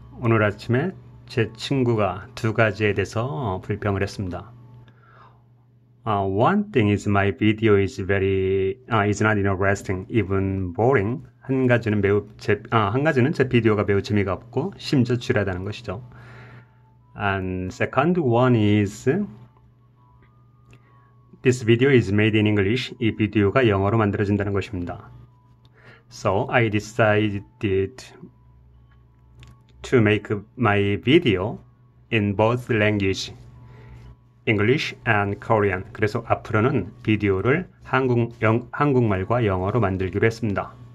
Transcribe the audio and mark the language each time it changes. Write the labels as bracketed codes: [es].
[ko] 오늘 아침에 제 친구가 두 가지에 대해서 불평을 했습니다. [en] One thing is my video is not interesting, even boring. [ko] 한 가지는 제 비디오가 매우 재미가 없고 심지어 지루하다는 것이죠. [en] And second one is this video is made in English. [ko] 이 비디오가 영어로 만들어진다는 것입니다. [en] So I decided to make my video in both languages, English and Korean. [ko] 그래서 앞으로는 비디오를 한국말과 영어로 만들기로 했습니다.